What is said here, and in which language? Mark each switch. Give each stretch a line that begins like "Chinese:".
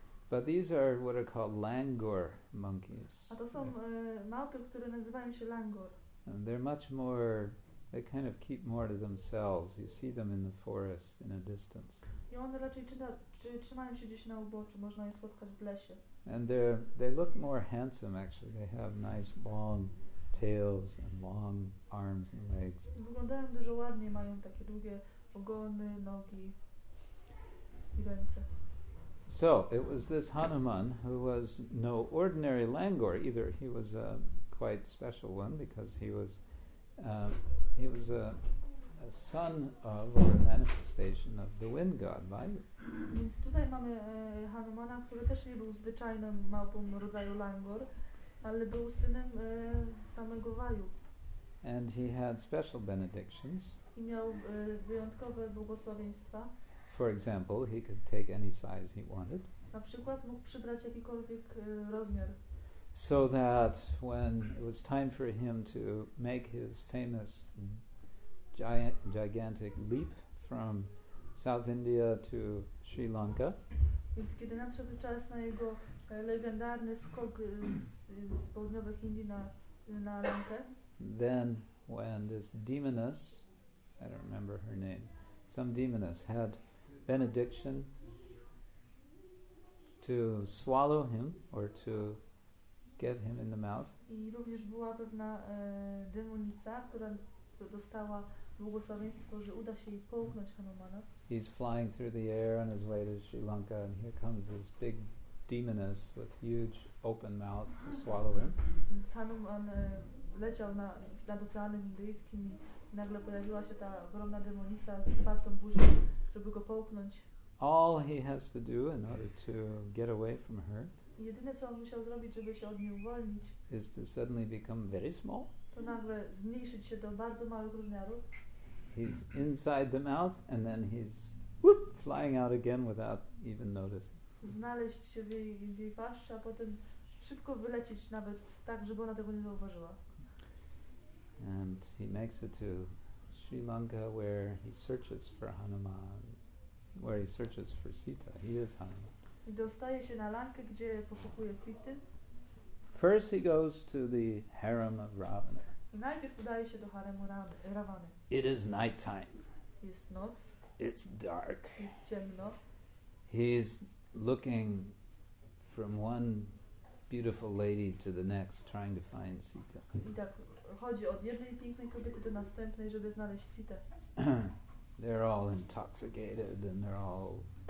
English: But these are what are called langur monkeys.
Polish: A to są małpy, które nazywają się langur.
English: And they're much more, they kind of keep more to themselves. You see them in the forest, in a distance.
Polish: I one raczej trzymają się gdzieś na uboczu, można je spotkać w lesie.
English: And they look more handsome actually. They have nice long tails and long arms and legs.
Polish: Wyglądają dużo ładniej, mają takie długie ogony, nogi i ręce.
English: So it was this Hanuman who was no ordinary langur either. He was a quite special one because he was a son of or a manifestation of the wind god Vayu.
Polish: Więc tutaj mamy Hanumana, który też nie był zwyczajnym małpą rodzaju langur, ale był synem samego Vayu.
English: And he had special benedictions.
Polish: I miał wyjątkowe błogosławieństwa.
English: For example, he could take any size he wanted.
Polish: Na przykład mógł przybrać jakikolwiek rozmiar.
English: So that when it was time for him to make his famous gigantic leap from South India to Sri Lanka.
Polish: Więc kiedy nadszedł czas na jego legendarny skok z południowych Indii na Lankę.
English: Then when this demoness, I don't remember her name, some demoness had benediction to swallow him or to get him in the mouth.
Polish: I również była pewna demonica, która dostała błogosławieństwo, że uda się jej połknąć Hanumana.
English: He's flying through the air on his way to Sri Lanka and here comes this big demoness with huge open mouth to swallow him.
Polish: Hanuman leciał nad oceanem indyjskim i nagle pojawiła się ta ogromna demonica z otwartą buzią, żeby go połknąć.
English: All he has to do in order to get away from her.
Polish: Jedyne co on musiał zrobić, żeby się od niej uwolnić.
English: Is to suddenly become very small.
Polish: To nagle zmniejszyć się do bardzo małych rozmiarów.
English: He's inside the mouth and then he's whoop, flying out again without even noticing.
Polish: Znaleźć się w jej paszczy, a potem szybko wylecieć nawet tak, żeby ona tego nie zauważyła.
English: And he makes it to Sri Lanka where he searches for Hanuman, where he searches for Sita. He is Hanuman.
Polish: I dostaje się na Lankę, gdzie poszukuje Sity.
English: First he goes to the harem of Ravana.
Polish: I najpierw udaje się do haremu Ravany.
English: It is night time.
Polish: Jest noc.
English: It's dark.
Polish: Jest ciemno.
English: He's looking from one beautiful lady to the next, trying to find Sita.
Polish: I tak chodzi od jednej pięknej kobiety do następnej, żeby znaleźć Sita.
English: They're all intoxicated and they're all...